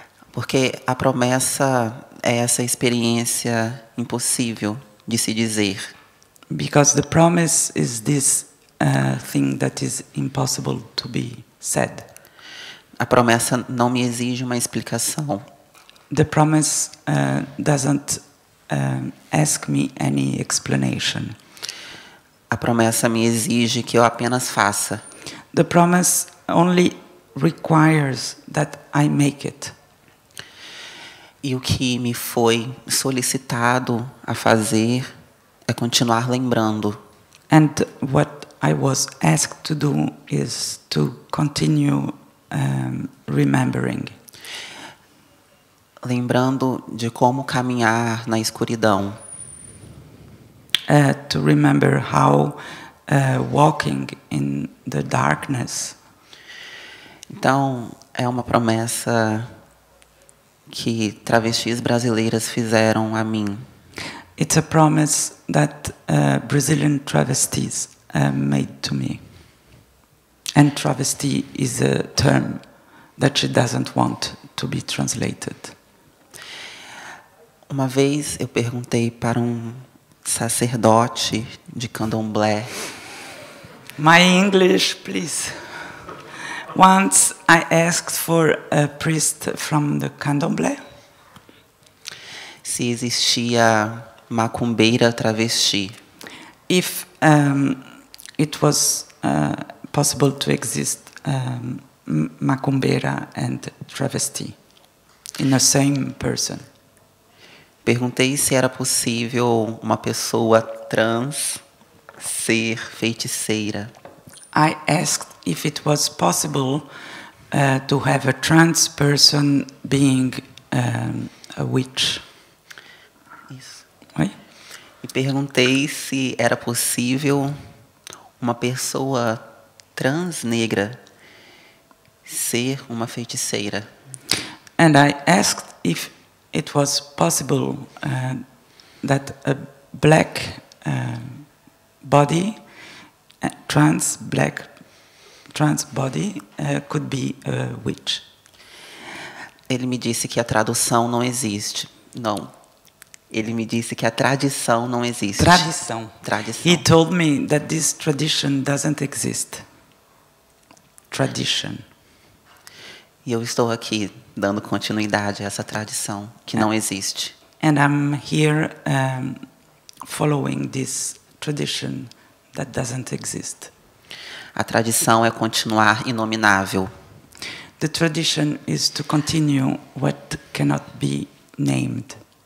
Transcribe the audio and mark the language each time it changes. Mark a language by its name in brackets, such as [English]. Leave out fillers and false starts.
[Portuguese] Porque a promessa é essa experiência impossível de se dizer. [English] Because the promise is this thing that is impossible to be said. [Portuguese] A promessa não me exige uma explicação. [English] The promise doesn't ask me any explanation. [Portuguese] A promessa me exige que eu apenas faça. [English] The promise only requires that I make it. [Portuguese] E o que me foi solicitado a fazer é continuar lembrando. [English] And what I was asked to do is to continue remembering. [Portuguese] Lembrando de como caminhar na escuridão. [English] To remember how walking in the darkness. [Portuguese] Então, é uma promessa que travestis brasileiras fizeram a mim. [English] It's a promise that Brazilian travestis made to me. And travesty is a term that she doesn't want to be translated. [Portuguese] Uma vez eu perguntei para um sacerdote de candomblé. [English] My English, please. Once I asked for a priest from the candomblé. [Portuguese] Se existia macumbeira travesti. [English] If it was possible to exist macumbeira and travesti in the same person. [Portuguese] Perguntei se era possível uma pessoa trans ser feiticeira. [English] I asked if it was possible to have a trans person being a witch. [Portuguese] Isso. Oi? E perguntei se era possível uma pessoa trans negra ser uma feiticeira. [English] And I asked if it was possible that a black body, trans black trans body, could be a witch. [Portuguese] Ele me disse que a tradução não existe. Não. Ele me disse que a tradição não existe. Tradição. Tradição. [English] He told me that this tradition doesn't exist. Tradition. [Portuguese] E eu estou aqui dando continuidade a essa tradição que não existe. [English] And I'm here following this tradition that doesn't exist. [Portuguese] A tradição é continuar inominável. [English] The tradition is to continue what cannot be named.